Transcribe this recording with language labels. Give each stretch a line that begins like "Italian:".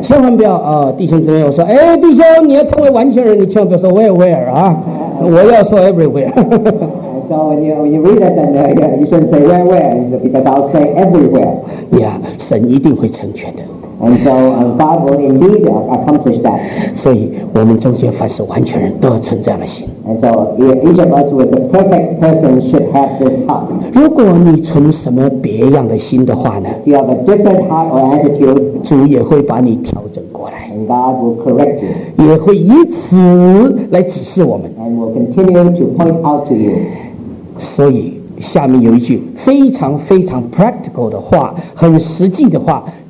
Chinese: 千万不要啊、弟兄姊妹，我说，哎，弟兄，你要成为完全人，你千万不要说
English: where where
Chinese: 啊，
English: okay.
Chinese: 我要说 everywhere.
English: So when you read it, then you shouldn't say where where, because I'll say everywhere.
Chinese: Yeah, 神一定会成全的。
English: And so God will indeed accomplish that.
Chinese: 所以我们中间凡是完全人都要存这样的心。
English: And so each of us who is a perfect person should have this heart.
Chinese: 如果你存什么别样的心的话呢？
English: If you have a different heart or attitude,
Chinese: 主也会把你调整过来。
English: And God will correct you.
Chinese: 也会以此来指示我们。
English: And will continue to point out to you.
Chinese: 所以下面有一句非常非常 practical 的话，很实际的话。